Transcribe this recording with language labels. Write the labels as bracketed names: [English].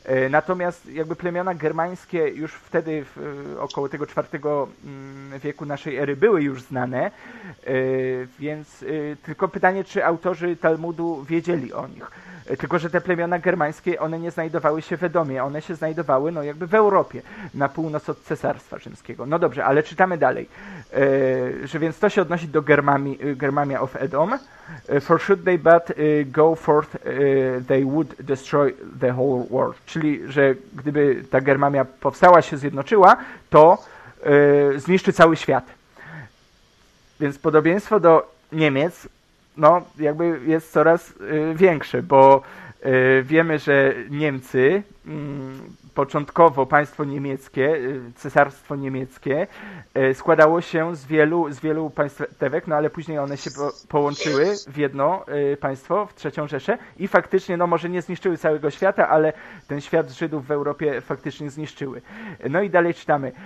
[Polish] Natomiast jakby plemiona germańskie już wtedy, w około tego IV wieku naszej ery, były już znane, więc tylko pytanie, czy autorzy Talmudu wiedzieli o nich. Tylko że te plemiona germańskie, one nie znajdowały się w Edomie, one się znajdowały no jakby w Europie, na północ od Cesarstwa Rzymskiego. No dobrze, ale czytamy dalej, że więc to się odnosi do [English] Germania of Edom. For should they but go forth, they would destroy the whole world. [Polish] Czyli, że gdyby ta Germania powstała, się zjednoczyła, to zniszczy cały świat. Więc podobieństwo do Niemiec, no, jakby jest coraz większe, bo wiemy, że Niemcy, początkowo państwo niemieckie, cesarstwo niemieckie, składało się z wielu państwewek, no ale później one się połączyły w jedno państwo, w Trzecią Rzeszę i faktycznie, no może nie zniszczyły całego świata, ale ten świat Żydów w Europie faktycznie zniszczyły. No i dalej czytamy.